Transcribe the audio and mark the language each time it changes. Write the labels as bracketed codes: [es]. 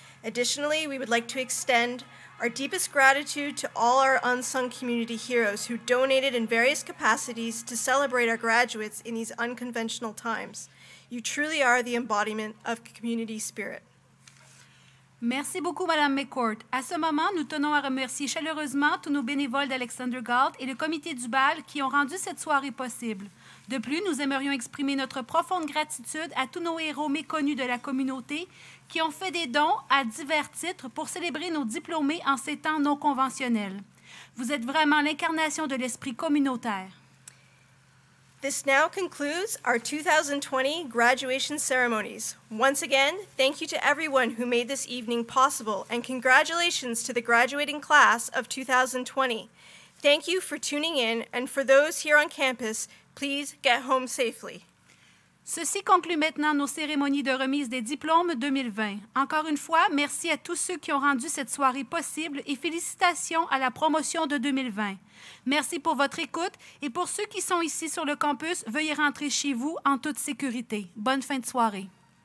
[en] Additionally, we would like to extend our deepest gratitude to all our unsung community heroes who donated in various capacities to celebrate our graduates in these unconventional times. You truly are the embodiment of community spirit. [fr] Merci beaucoup, Madame McCourt. À ce moment, nous tenons à remercier chaleureusement tous nos bénévoles d'Alexander Galt et le comité du bal qui ont rendu cette soirée possible. De plus, nous aimerions exprimer notre profonde gratitude à tous nos héros méconnus de la communauté qui ont fait des dons à divers titres pour célébrer nos diplômés en ces temps non conventionnels. Vous êtes vraiment l'incarnation de l'esprit communautaire. [en] This now concludes our 2020 graduation ceremonies. Once again, thank you to everyone who made this evening possible, and congratulations to the graduating class of 2020. Thank you for tuning in, and for those here on campus, please get home safely. [fr] Ceci conclut maintenant nos cérémonies de remise des diplômes 2020. Encore une fois, merci à tous ceux qui ont rendu cette soirée possible et félicitations à la promotion de 2020. Merci pour votre écoute et pour ceux qui sont ici sur le campus, veuillez rentrer chez vous en toute sécurité. Bonne fin de soirée.